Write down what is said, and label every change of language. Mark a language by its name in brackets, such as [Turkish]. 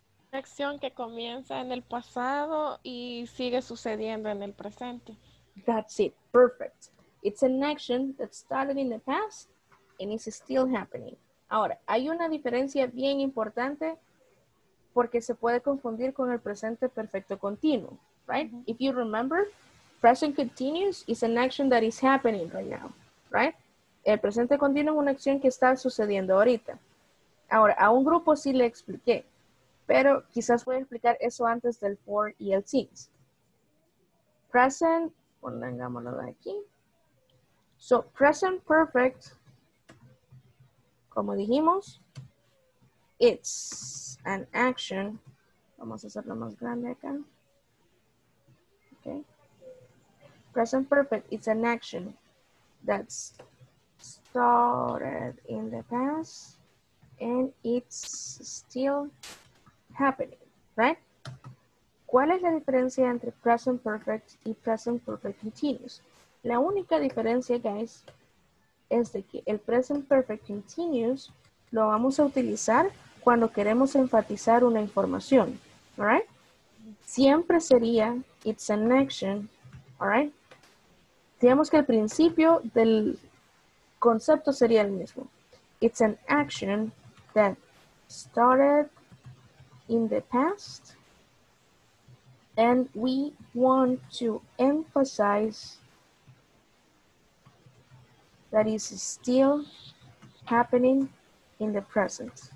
[Spanish] Acción que comienza en el pasado y sigue sucediendo en el presente. [English] That's it. Perfect. It's an action that started in the past and is still happening. [Spanish] Ahora, hay una diferencia bien importante porque se puede confundir con el presente perfecto continuo, right? Mm-hmm. [English] If you remember, present continuous is an action that is happening right now, right? [Spanish] El presente continuo es una acción que está sucediendo ahorita. Ahora, a un grupo sí le expliqué. Pero quizás voy a explicar eso antes del for y el since. [English] Present, [Spanish] pongámoslo de aquí. [English] So, present perfect, [Spanish] como dijimos, [English] it's an action. [Spanish] Vamos a hacerlo más grande acá. Okay. [English] Present perfect, it's an action that's started in the past and it's still happening, right? [Spanish] ¿Cuál es la diferencia entre present perfect y present perfect continuous? La única diferencia, guys, es de que el present perfect continuous lo vamos a utilizar cuando queremos enfatizar una información, right? Siempre sería, [English] it's an action, alright? [Spanish] Digamos que el principio del concepto sería el mismo. [English] It's an action that started in the past, and we want to emphasize that is still happening in the present.